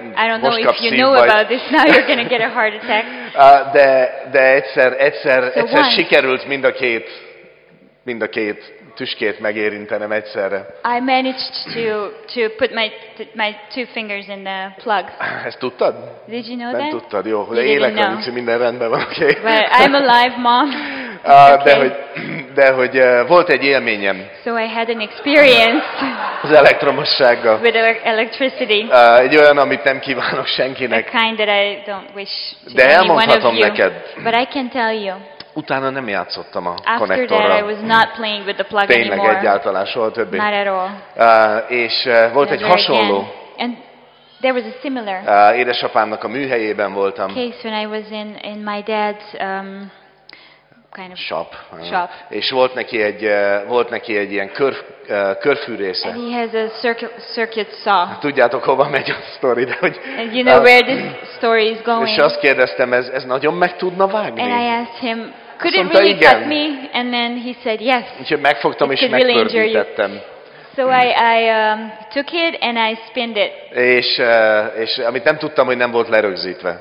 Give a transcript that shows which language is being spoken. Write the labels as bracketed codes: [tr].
[en] I don't know if you know about this, now you're gonna get a heart attack. [hu] De egyszer sikerült mind a két tüskét megérintenem egyszerre. [en] I managed to put my two fingers in the plug. [hu] Ezt tudtad? [en] Did you know [hu] nem [en] that? [hu] Tudtad, jó, hogy élek, minden rendben van, oké. [en] Okay. But I'm alive, mom. [hu] De hogy de hogy volt egy élményem. [en] So I had an experience. [hu] Az elektromossággal. [en] With electricity. [hu] Egy olyan, amit nem kívánok senkinek. [en] A kind that I don't wish to [hu] de elmondhatom neked. [en] But I can tell you. [hu] Utána nem játszottam a [en] after [hu] konnektorral. [en] That, I was not playing with the plug anymore. [hu] Tényleg egyáltalán soha többé. [en] Not at all. [hu] És volt egy hasonló. [en] And there was a similar. [hu] Édesapámnak a műhelyében voltam. [en] Case when I was in my dad's kind of shop. Shop. [hu] És volt neki egy ilyen körfűrésze. [en] And he has a circuit saw. [hu] Tudjátok hova megy a sztori, de hogy. [en] And you know where this story is going. [hu] És azt kérdeztem, ez nagyon meg tudna vágni? [en] And I asked him, could it really cut me? And then he said yes. [hu] Úgyhogy megfogtam és megpörgítettem. [en] So I took it and I spinned it. [hu] És amit nem tudtam, hogy nem volt lerögzítve.